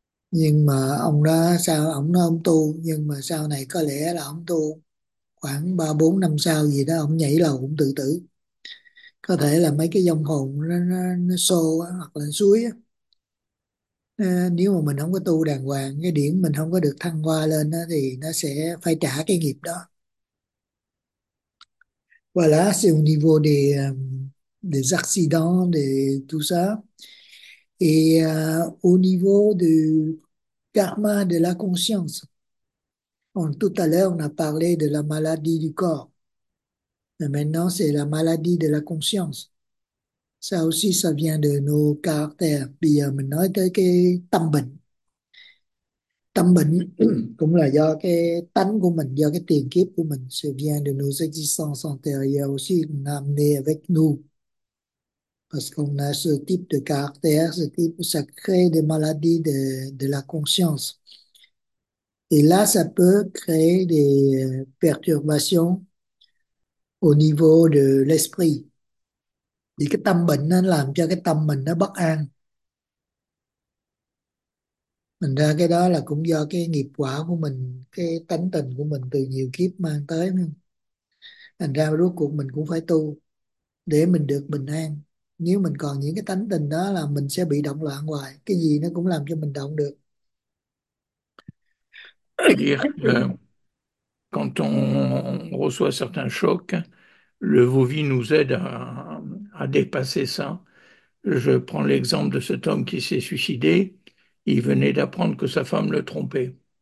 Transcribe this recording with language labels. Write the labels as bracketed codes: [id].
[vi] Nhưng mà ông đó sao ông nó không tu, nhưng mà sau này có lẽ là ông tu khoảng 3 4 năm sau gì đó ông nhảy lầu cũng tự tử, có thể là mấy cái vong hồn nó xô á, hoặc là suối á. Nếu mà mình không có tu đàng hoàng, cái điển mình không có được thăng hoa lên đó, thì nó sẽ phải trả cái nghiệp đó. Và là siêu niveau thì des accidents, de tout ça. [fr] Et au niveau du karma de la conscience, tout à l'heure, on a parlé de la maladie du corps. Mais maintenant, c'est la maladie de la conscience. Ça aussi, ça vient de nos caractères. [vi] Bây giờ, mình nói tới cái tâm bệnh. Tâm bệnh cũng là do cái tánh của mình, do cái tiền kiếp của mình. [fr] Ça vient de nos existences antérieures aussi, nam né avec nous. Parce qu'on a ce type de caractère, ce type, ça crée des maladies de la conscience. Et là, ça peut créer des perturbations au niveau de l'esprit. [vi] Et cái tâm bệnh nó làm cho cái tâm mình nó bất an. Mình ra cái đó là cũng do cái nghiệp quả của mình, cái tánh tình của mình từ nhiều kiếp mang tới. Thành ra rốt cuộc mình cũng phải tu để mình được bình an. Nếu mình còn những cái tánh tình đó là mình sẽ bị động loạn hoài, cái gì nó cũng làm cho mình động [fr] Dire que quand on reçoit certains chocs, le Vovi nous aide à dépasser ça. Je prends l'exemple de cet homme qui s'est suicidé. Il venait d'apprendre que sa femme le trompait.